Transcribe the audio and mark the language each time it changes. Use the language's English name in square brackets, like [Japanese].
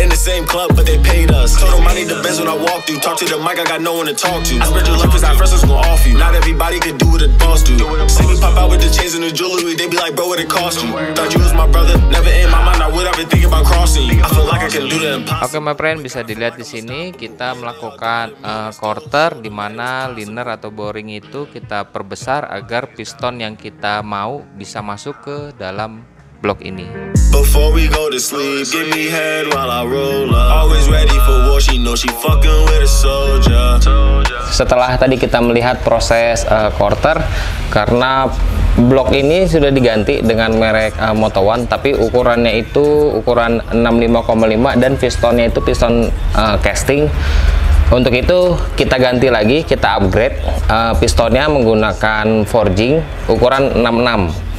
[English] In the same club, but they paid us. Told them I need the Benz when I walk through. Talk to the mic, I got no one to talk to. I spread your love, cause I first was gonna off you. Not everybody could do what a boss do. See me pop out with the chains and the jewelry. They be like, bro, what it cost you? Thought you was my brother. Never in my mind, I would ever think about crossing. I feel like I can do the impossible. Okay, my friend, [Indonesian] bisa dilihat di sini kita melakukan quarter. Di mana liner atau boring itu kita perbesar agar piston yang kita mau bisa masuk ke dalam blok ini. [English] Before we go to sleep, give me head while I roll up. Always ready for war, she know she fucking with a soldier. [Indonesian] Setelah tadi kita melihat proses quarter, karena blok ini sudah diganti dengan merek Moto One, tapi ukurannya itu ukuran 65,5 dan pistonnya itu piston casting. Untuk itu kita ganti lagi, kita upgrade pistonnya menggunakan forging ukuran 66.